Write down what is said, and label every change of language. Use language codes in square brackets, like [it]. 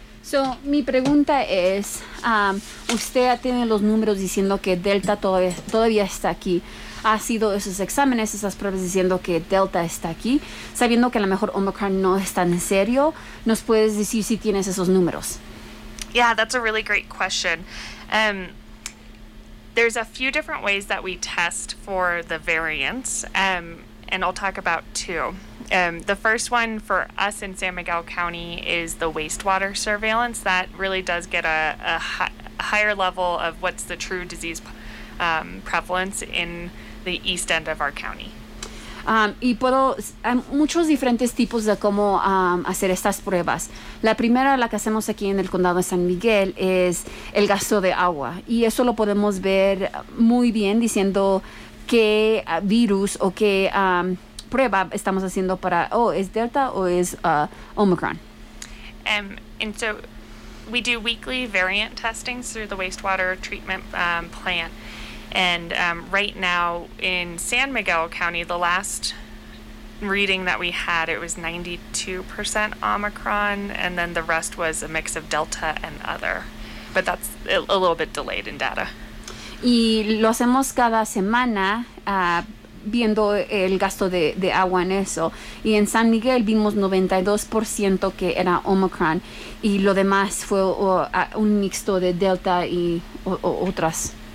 [es] So, mi pregunta es, usted tiene los números diciendo que Delta todavía está aquí. ¿Ha sido esos exámenes, esas pruebas diciendo que Delta está aquí? Sabiendo que a lo mejor Omicron no es tan serio, ¿nos puedes decir si tienes esos números? [en] Yeah, that's a really great question. There's a few different ways that we test for the variants, and I'll talk about two. The first one for us in San Miguel County is the wastewater surveillance. That really does get a higher level of what's the true disease prevalence in the east end of our county. [es] Hay muchos diferentes tipos de cómo hacer estas pruebas. La primera, la que hacemos aquí en el condado de San Miguel, es el gasto de agua. Y eso lo podemos ver muy bien diciendo qué virus o qué prueba estamos haciendo para, ¿es Delta o es Omicron? [en] And so we do weekly variant testing through the wastewater treatment plant. And right now in San Miguel County, the last reading that we had, it was 92% Omicron, and then the rest was a mix of Delta and other. But that's a little bit delayed in data. [es] Y lo hacemos cada semana, viendo el gasto de agua en eso. Y en San Miguel vimos 92% que era Omicron, y lo demás fue un mixto de Delta y otras.